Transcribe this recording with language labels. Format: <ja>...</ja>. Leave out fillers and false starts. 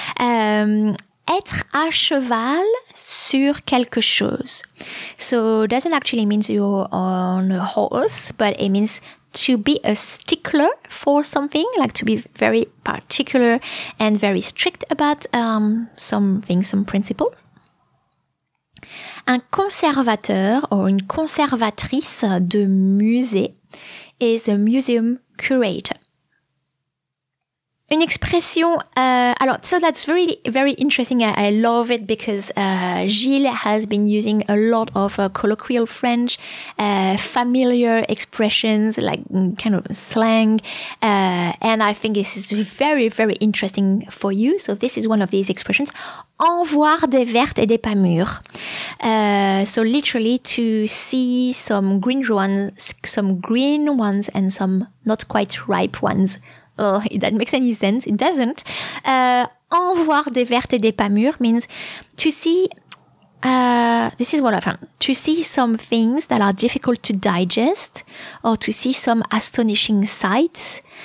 <fr>Être à cheval sur quelque chose.</fr> <en>So it doesn't actually mean you're on a horse, but it means to be a stickler for something, like to be very particular and very strict about something, some principles.</en> <fr>Un conservateur or une conservatrice de musée</fr> <en>is a museum curator.</en> <fr>Une expression, alors,</fr> <en>so that's very, very interesting. I love it because Gilles has been using a lot of colloquial French, familiar expressions, like kind of slang. And I think this is very, very interesting for you. So this is one of these expressions.</en> <fr>En voir des vertes et des pas mûres.</fr> <en>So literally to see some green ones and some not quite ripe ones. Oh, that makes any sense. It doesn't.</en> <fr>En voir des vertes et des pas mûres</fr> <en>means to see, this is what I found, to see some things that are difficult to digest or to see some astonishing sights.</en>